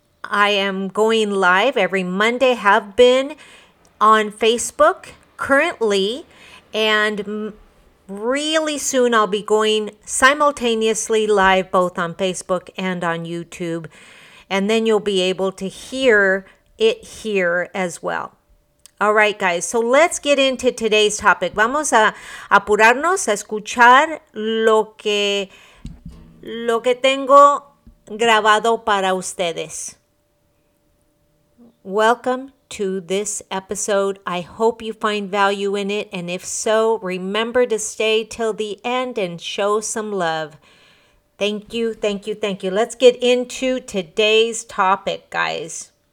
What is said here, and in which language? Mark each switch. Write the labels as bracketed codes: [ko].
[en] I am going live every Monday, have been on Facebook currently, and really soon I'll be going simultaneously live both on Facebook and on YouTube, and then you'll be able to hear it here as well. All right, guys, so let's get into today's topic. [es] Vamos a apurarnos a escuchar lo que tengo grabado para ustedes. [en] Welcome to this episode. I hope you find value in it. And if so, remember to stay till the end and show some love. Thank you, thank you, thank you. Let's get into today's topic, guys.